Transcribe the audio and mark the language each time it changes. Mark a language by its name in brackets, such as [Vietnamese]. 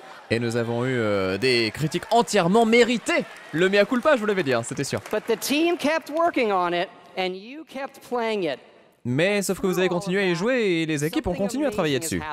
[French] Et nous avons eu des critiques entièrement méritées. Le mea culpa, je vous l'avais dit, hein, c'était sûr. [English] But the team kept working on it, and you kept playing it. [French] Mais sauf que vous avez continué à y jouer et les équipes ont continué à travailler dessus.